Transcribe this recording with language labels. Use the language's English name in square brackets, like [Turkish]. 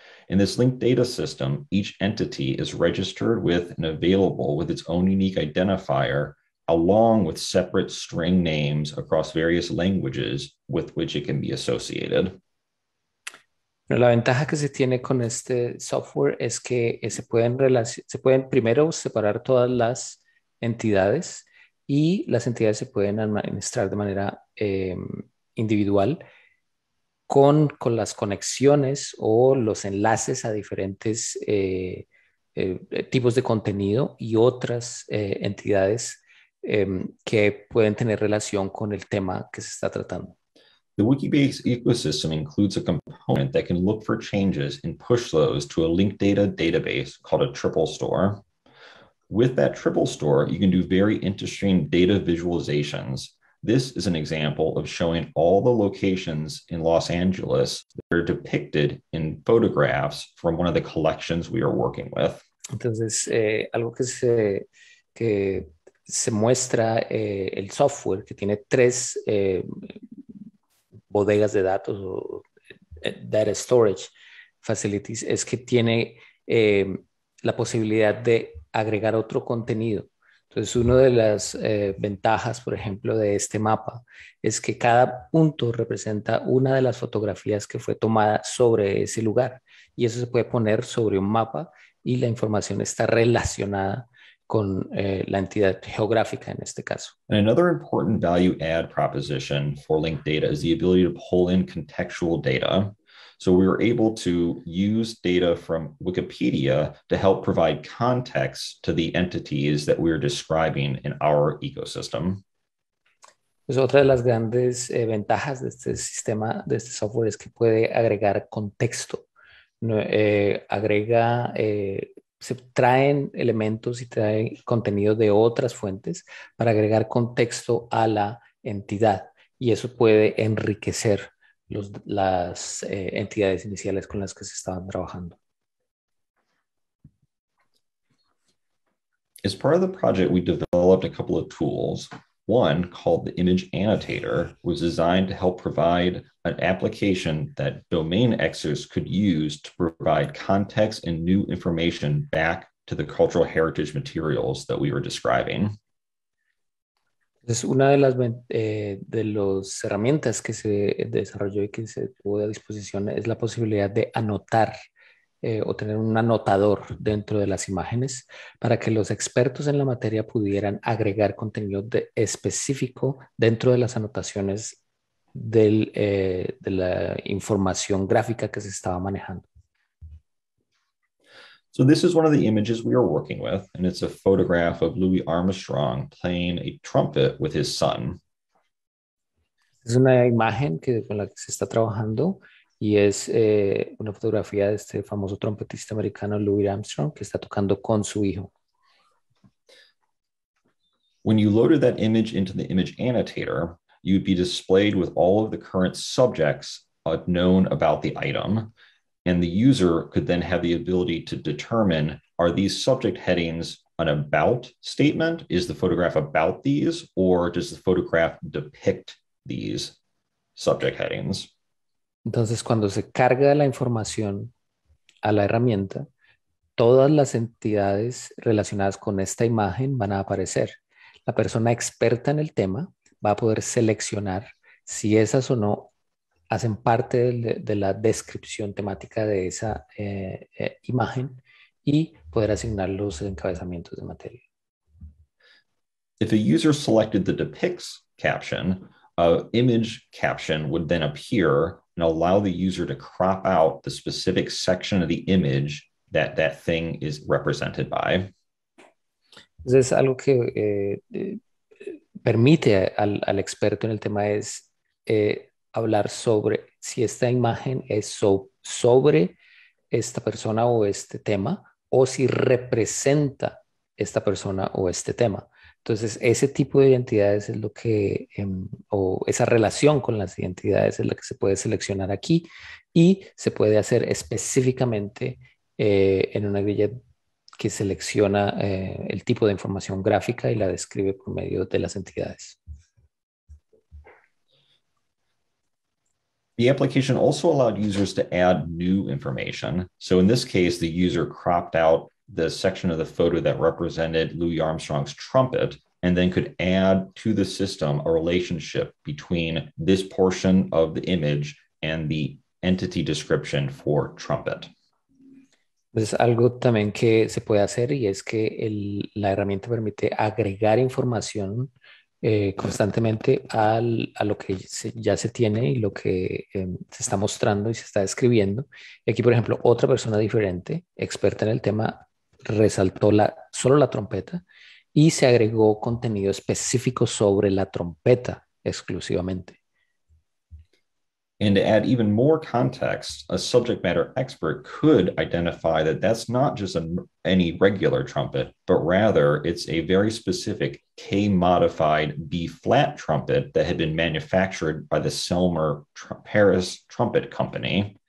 [English] In this linked data system, each entity is registered with and available with its own unique identifier, along with separate string names across various languages with which it can be associated. [Spanish] Bueno, la ventaja que se tiene con este software es que se pueden primero separar todas las entidades y las entidades se pueden administrar de manera individual con las conexiones o los enlaces a diferentes tipos de contenido y otras entidades que pueden tener relación con el tema que se está tratando. [English] The Wikibase ecosystem includes a component that can look for changes and push those to a linked data database called a triple store. With that triple store, you can do very interesting data visualizations. This is an example of showing all the locations in Los Angeles that are depicted in photographs from one of the collections we are working with. [Spanish] Entonces, algo que se muestra el software que tiene tres bodegas de datos o [English] data storage facilities [Spanish] es que tiene la posibilidad de agregar otro contenido. Entonces, una de las ventajas, por ejemplo, de este mapa es que cada punto representa una de las fotografías que fue tomada sobre ese lugar y eso se puede poner sobre un mapa y la información está relacionada con la entidad geográfica en este caso. [English] And another important value add proposition for linked data is the ability to pull in contextual data. So we were able to use data from Wikipedia to help provide context to the entities that we are describing in our ecosystem. [Spanish] Pues otra de las grandes ventajas de este sistema, de este software, es que puede agregar contexto. Se traen elementos y traen contenido de otras fuentes para agregar contexto a la entidad y eso puede enriquecer las entidades iniciales con las que se estaban trabajando. [English] As part of the project, we developed a couple of tools. One, called the Image Annotator, was designed to help provide an application that domain experts could use to provide context and new information back to the cultural heritage materials that we were describing. [Spanish] Es una de las herramientas que se desarrolló y que se tuvo a disposición es la posibilidad de anotar o tener un anotador dentro de las imágenes para que los expertos en la materia pudieran agregar contenido específico dentro de las anotaciones de la información gráfica que se estaba manejando. [English] So this is one of the images we are working with, and it's a photograph of Louis Armstrong playing a trumpet with his son. [Spanish] Es una imagen con la que se está trabajando. Y es una fotografía de este famoso trompetista americano Louis Armstrong que está tocando con su hijo. [English] When you loaded that image into the image annotator, you'd be displayed with all of the current subjects known about the item, and the user could then have the ability to determine, are these subject headings an about statement? Is the photograph about these, or does the photograph depict these subject headings? [Spanish] Entonces, cuando se carga la información a la herramienta, todas las entidades relacionadas con esta imagen van a aparecer. La persona experta en el tema va a poder seleccionar si esas o no hacen parte de la descripción temática de esa imagen y poder asignar los encabezamientos de materia. [English] If a user selected the depicts caption, a image caption would then appear and allow the user to crop out the specific section of the image that that thing is represented by. [Spanish] Es algo que permite al experto en el tema es hablar sobre si esta imagen es sobre esta persona o este tema, o si representa esta persona o este tema. Entonces, ese tipo de identidades es lo que, o esa relación con las identidades es la que se puede seleccionar aquí y se puede hacer específicamente en una grilla que selecciona el tipo de información gráfica y la describe por medio de las entidades. [English] The application also allowed users to add new information. So in this case, the user cropped out the section of the photo that represented Louis Armstrong's trumpet and then could add to the system a relationship between this portion of the image and the entity description for trumpet. [Spanish] Es algo también que se puede hacer y es que la herramienta permite agregar información constantemente a lo que ya se tiene y lo que se está mostrando y se está describiendo. Y aquí, por ejemplo, otra persona diferente, experta en el tema, resaltó solo la trompeta y se agregó contenido específico sobre la trompeta exclusivamente. [English] And to add even more context, a subject matter expert could identify that that's not just any regular trumpet, but rather it's a very specific K-modified B-flat trumpet that had been manufactured by the Selmer Paris Trumpet Company.